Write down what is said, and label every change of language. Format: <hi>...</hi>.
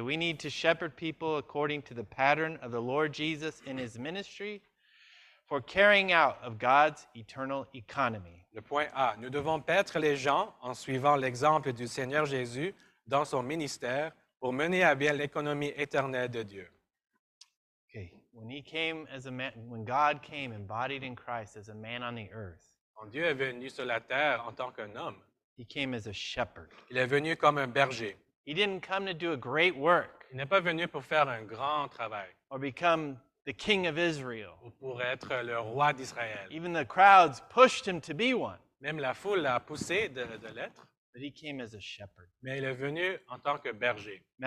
<en>We need to shepherd people according to the pattern of the Lord Jesus in his ministry. for carrying out of God's eternal economy.</en> <fr>Le point A, nous devons paître les gens en suivant l'exemple du Seigneur Jésus dans son ministère pour mener à bien l'économie éternelle de Dieu.</fr> <en>Okay. When he came as a man, when God came embodied in Christ as a man on the earth.</en> <fr>Quand Dieu est venu sur la terre en tant qu'un homme.</fr> <en>He came as a shepherd.</en> <fr>Il est venu comme un berger.</fr> <en>He didn't come to do a great work.</en> <fr>Il n'est pas venu pour faire un grand travail.</fr> <en>Or become the king of Israel.</en> <fr>Ou pour être le roi d'Israël.</fr> <en>Even the crowds pushed him to be one.</en> <fr>Même la foule l'a poussé de l'être.</fr> <en>But he came as a shepherd.</en> <fr>Mais il est venu en tant que berger.</fr>